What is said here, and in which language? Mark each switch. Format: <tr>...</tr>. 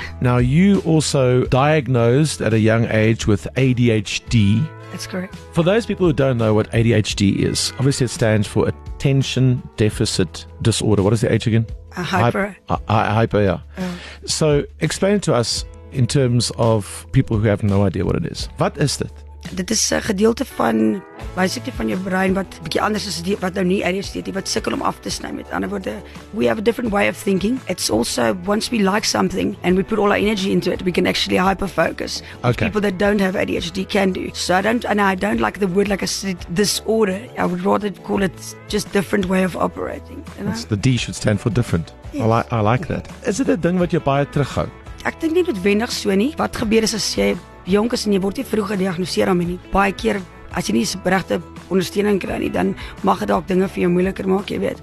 <en>Now, you also diagnosed at a young age with ADHD. That's correct. For those people who don't know what ADHD is, obviously it stands for Attention Deficit Disorder. What is the H again? Hyper, yeah. So, explain to us in terms of people who have no idea what it is. What is it?</en> <af>Dit is 'n gedeelte van basically van jou brein wat bietjie anders is die, wat nou nie ADHD het nie, wat sukkel om af te sny. Met ander woorde,</af> <en>we have a different way of thinking. It's also, once we like something and we put all our energy into it, we can actually hyperfocus. Okay. People that don't have ADHD can do. So I don't like the word, like I said, disorder. I would rather call it just different way of operating. The D should stand for different. Yes. I like that. Is it a</en> <af>ding wat jou baie terughou? Ek dink nie noodwendig so nie. Wat gebeur is as jy jonk is en jy word nie vroeg gediagnoseer daarmee nie. Baie keer, as jy nie regte ondersteuning kry nie, dan mag dit dalk dinge vir jou moeiliker maak, jy weet.</af>